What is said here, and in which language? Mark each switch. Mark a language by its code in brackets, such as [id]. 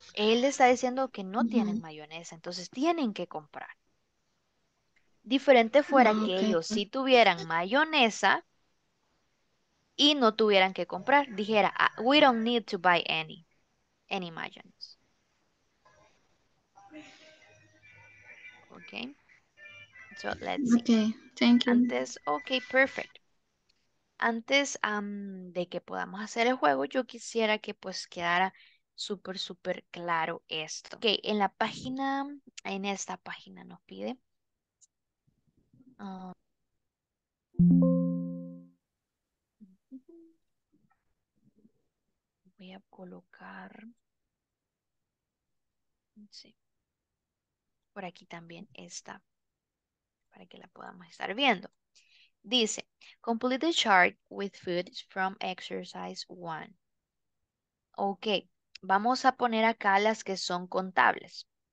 [es] Él está diciendo que no tienen mayonesa, entonces tienen que comprar. Diferente fuera que ellos sí tuvieran mayonesa y no tuvieran que comprar. [en] Dijera, we don't need to buy any mayonnaise. Okay. So let's see. Okay, thank you. Antes, okay, perfect. [es] Antes de que podamos hacer el juego, yo quisiera que pues quedara súper, súper claro esto. Okay, en la página, en esta página nos pide. Voy a colocar, sí, por aquí también está, para que la podamos estar viendo. [en] Dice, complete the chart with foods from exercise one. [es] Ok, vamos a poner acá las que son contables.